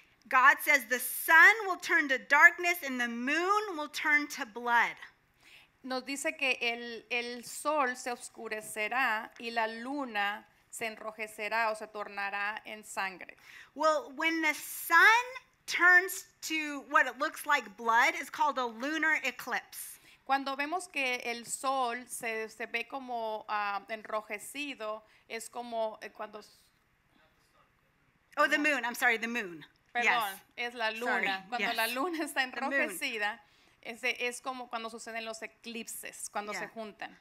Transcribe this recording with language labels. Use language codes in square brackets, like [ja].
[en] God says the sun will turn to darkness and the moon will turn to blood. [es] Nos dice que el sol se oscurecerá y la luna se enrojecerá o se tornará en sangre. [en] Well, when the sun turns to what it looks like blood, it's called a lunar eclipse. [es] Cuando vemos que el sol se ve como enrojecido, es como cuando... [en] Oh, the moon, I'm sorry, the moon. [es] Perdón, [en] yes. [es] Es la luna. [en] Sorry. [es] Cuando [en] yes. [es] La luna está enrojecida, es como cuando suceden los eclipses, cuando [en] yeah. [es] Se juntan.